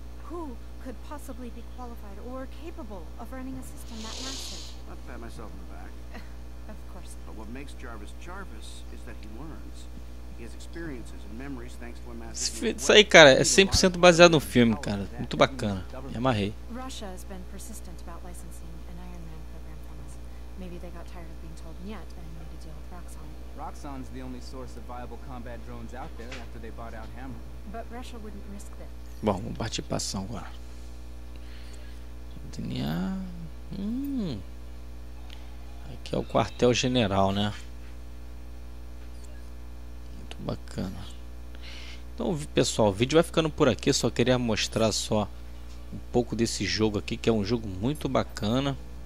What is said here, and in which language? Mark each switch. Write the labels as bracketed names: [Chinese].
[English] Who could possibly be qualified or capable of running a system that massive? I'll pat myself in the back. Of course. But what makes Jarvis Jarvis is that he learns. He has experiences and memories thanks to a massive. [Portuguese] Isso aí, cara, é 100% baseado no filme, cara. Muito bacana. Me amarrei. [English] Russia has been persistent about licensing an Iron Man program from us. Maybe they got tired of being told yet and need to deal with Roxxon. Roxxon's the only source of viable combat drones out there after they bought out Hammer. But Russia wouldn't risk this. [Portuguese] Bom, vamos partir pra ação agora. [English] DNA. [Portuguese] Aqui é o quartel general, né? Muito bacana. Então, pessoal, o vídeo vai ficando por aqui. Só queria mostrar só um pouco desse jogo aqui, que é um jogo muito bacana.